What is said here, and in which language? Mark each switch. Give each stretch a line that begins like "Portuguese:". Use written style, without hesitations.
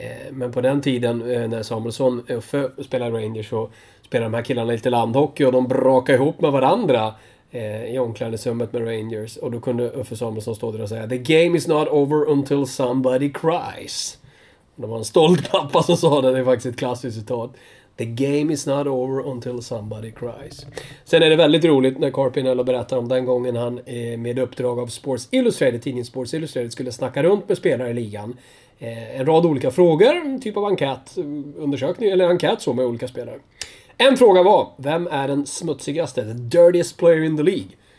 Swedish: Men på den tiden när Samuelsson Uffe spelade i Rangers så spelade de här killarna lite landhockey och de brakade ihop med varandra i omklädningsrummet med Rangers. Och då kunde Uffe Samuelsson stå där och säga
English: "The game is not over until somebody cries."
Swedish: Det var en stolt pappa som sa det. Det är faktiskt ett klassiskt citat.
English: "The game is not over until somebody cries."
Swedish: Sen är det väldigt roligt när Carpinello berättar om den gången han med uppdrag av Sports Illustrated, tidningen Sports Illustrated, skulle snacka runt med spelare i ligan. En rad olika frågor, typ av enkät, undersökning eller enkät så med olika spelare. En fråga var, vem är den smutsigaste,
English: the dirtiest player in the league?